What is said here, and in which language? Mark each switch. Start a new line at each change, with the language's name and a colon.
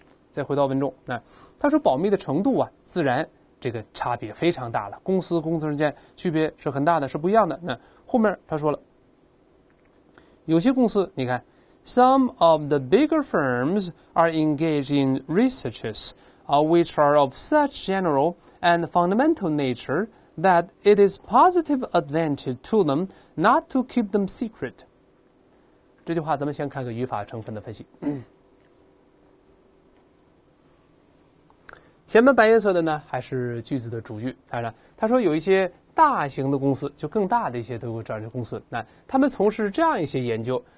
Chinese: 再回到文中，那他说保密的程度啊，自然这个差别非常大了，公司和公司之间区别是很大的，是不一样的。那后面他说了，有些公司，你看
English: ，some of the bigger firms are engaged in researches, which are of such general and fundamental nature that it is positive advantage to them not to keep them secret。
Chinese: 这句话咱们先看个语法成分的分析。前面白颜色的呢，还是句子的主句。当然，他说有一些大型的公司，就更大的一些德国这样的公司，那他们从事这样一些研究。